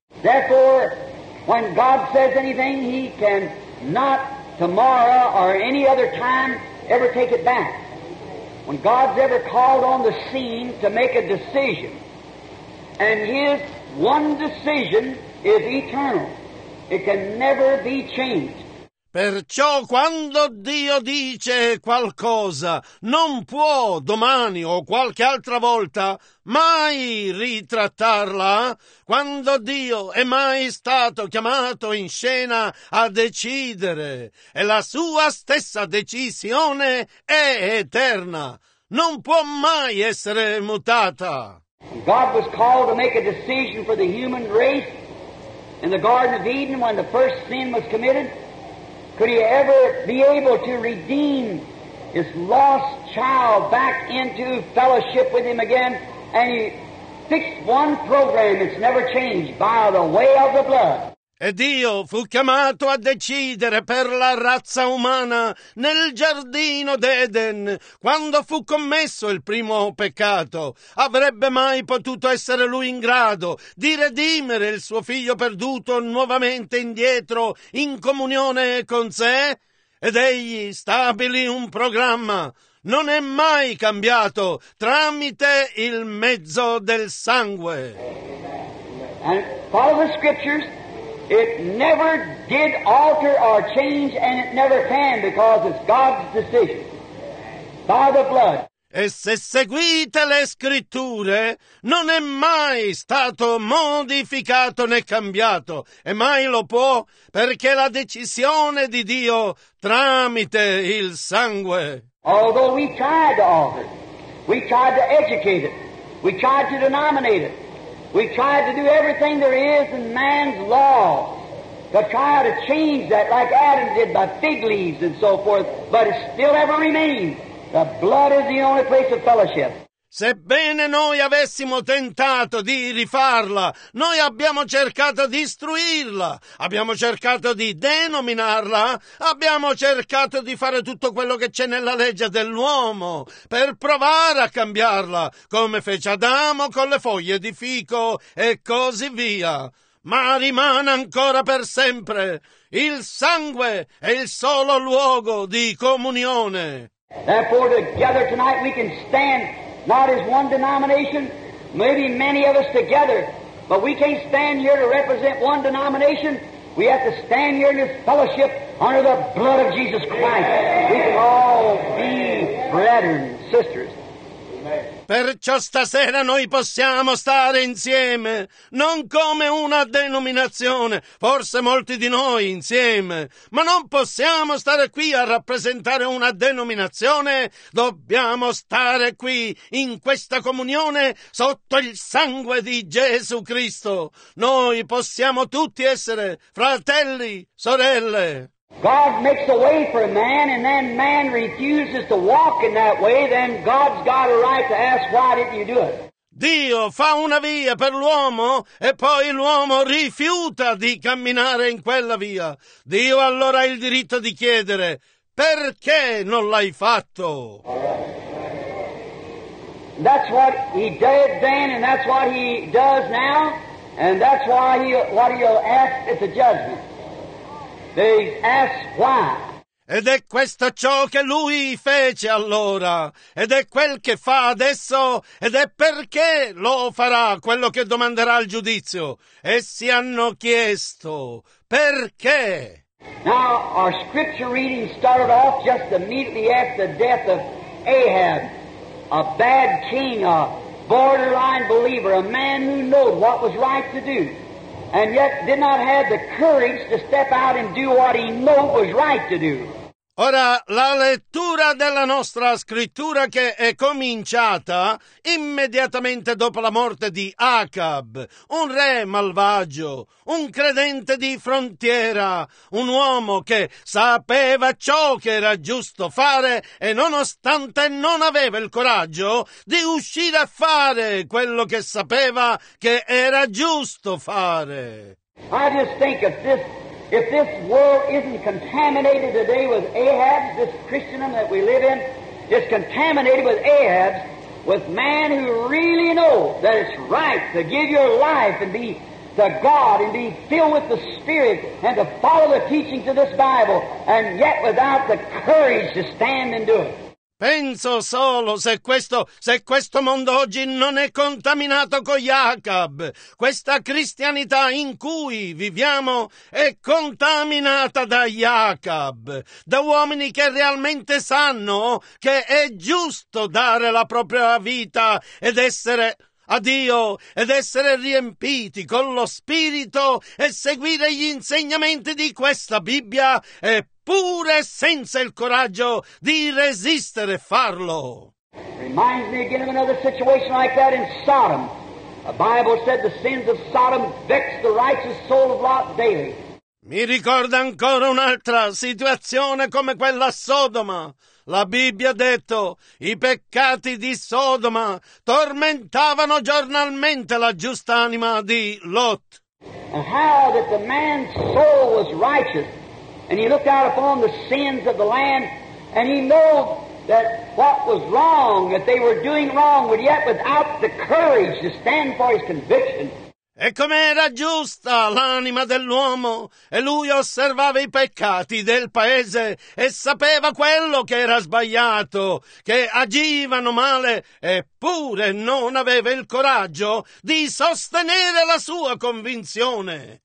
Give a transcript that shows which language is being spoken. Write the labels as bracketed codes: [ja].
[en] Therefore, when God says anything, He can not tomorrow or any other time ever take it back. When God's ever called on the scene to make a decision, and His one decision is eternal, it can never be changed. [it] Perciò quando Dio dice qualcosa, non può domani o qualche altra volta mai ritrattarla. Quando Dio è mai stato chiamato in scena a decidere, e la sua stessa decisione è eterna, non può mai essere mutata. [en] God was called to make a decision for the human race in the Garden of Eden when the first sin was committed. Could He ever be able to redeem his lost child back into fellowship with him again, and he fixed one program that's never changed by the way of the blood. [it] E Dio fu chiamato a decidere per la razza umana nel giardino d'Eden, quando fu commesso il primo peccato. Avrebbe mai potuto essere lui in grado di redimere il suo figlio perduto nuovamente indietro in comunione con sé? Ed egli stabilì un programma. Non è mai cambiato tramite il mezzo del sangue. [en] And follow the scriptures. It never did alter or change, and it never can, because it's God's decision by the blood. [it] E se seguite le scritture, non è mai stato modificato né cambiato, e mai lo può, perché la decisione di Dio tramite il sangue. [en] Although we tried to alter it, we tried to educate it, we tried to denominate it. We tried to do everything there is in man's law to try to change that, like Adam did, by fig leaves and so forth, but it still ever remains. The blood is the only place of fellowship. [it] Sebbene noi avessimo tentato di rifarla, noi abbiamo cercato di istruirla, abbiamo cercato di denominarla, abbiamo cercato di fare tutto quello che c'è nella legge dell'uomo per provare a cambiarla, come fece Adamo con le foglie di fico e così via. Ma rimane ancora per sempre il sangue è il solo luogo di comunione. [en] Therefore, together tonight we can stand. Not as one denomination, maybe many of us together, but we can't stand here to represent one denomination. We have to stand here in this fellowship under the blood of Jesus Christ. We can all be brethren, sisters. [it] Perciò stasera noi possiamo stare insieme, non come una denominazione, forse molti di noi insieme, ma non possiamo stare qui a rappresentare una denominazione, dobbiamo stare qui in questa comunione sotto il sangue di Gesù Cristo. Noi possiamo tutti essere fratelli, sorelle. [en] God makes a way for a man, and then man refuses to walk in that way, then God's got a right to ask, why didn't you do it? [it] Dio fa una via per l'uomo, e poi l'uomo rifiuta di camminare in quella via. Dio allora ha il diritto di chiedere, perché non l'hai fatto? [en] That's what he did then, and that's what he does now, and that's why he'll ask at the judgment. They ask why. [it] Ed è questo ciò che lui fece allora, ed è quel che fa adesso, ed è perché lo farà, quello che domanderà al giudizio. Essi hanno chiesto, perché? [en] Now, our scripture reading started off just immediately after the death of Ahab, a bad king, a borderline believer, a man who knew what was right to do. And yet did not have the courage to step out and do what he knew was right to do. [it] Ora, la lettura della nostra scrittura che è cominciata immediatamente dopo la morte di Acab, un re malvagio, un credente di frontiera, un uomo che sapeva ciò che era giusto fare e nonostante non aveva il coraggio di uscire a fare quello che sapeva che era giusto fare. [en] I just think of this. If this world isn't contaminated today with Ahabs, this Christendom that we live in is contaminated with Ahabs, with man who really knows that it's right to give your life and be to God and be filled with the Spirit and to follow the teachings of this Bible, and yet without the courage to stand and do it. [it] Penso solo se questo mondo oggi non è contaminato con Jacob, questa cristianità in cui viviamo è contaminata da Jacob, da uomini che realmente sanno che è giusto dare la propria vita ed essere a Dio ed essere riempiti con lo Spirito e seguire gli insegnamenti di questa Bibbia e pure senza il coraggio di resistere e farlo. [en] Reminds me again of another situation like that in Sodom. The Bible said the sins of Sodom vexed the righteous soul of Lot daily. [it] Mi ricorda ancora un'altra situazione come quella a Sodoma. La Bibbia ha detto: i peccati di Sodoma tormentavano giornalmente la giusta anima di Lot. [en] And how that the man's soul was righteous, and he looked out upon the sins of the land, and he knew that what was wrong, that they were doing wrong, but yet without the courage to stand for his conviction. [it] E com'era giusta l'anima dell'uomo, e lui osservava i peccati del paese e sapeva quello che era sbagliato, che agivano male, eppure non aveva il coraggio di sostenere la sua convinzione.